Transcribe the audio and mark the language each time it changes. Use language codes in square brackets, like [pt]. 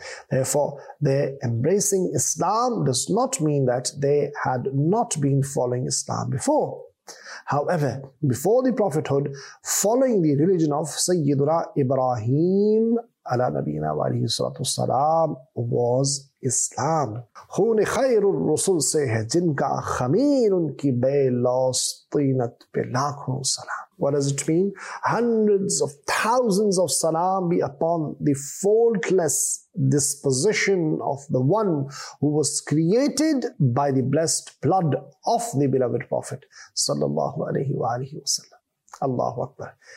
[en] Therefore, their embracing Islam does not mean that they had not been following Islam before. However, before the prophethood, following the religion of Sayyidina Ibrahim ala nabiyyina wa alihi salatu wassalam was Islam. [ur] خون خیر الرسول سے ہے جن کا خمیر ان کی بے loss طینت پہ لاکھوں سلام. [en] What does it mean? Hundreds of thousands of salam be upon the faultless disposition of the one who was created by the blessed blood of the beloved Prophet sallallahu alayhi wa alihi wa sallam. Allahu Akbar.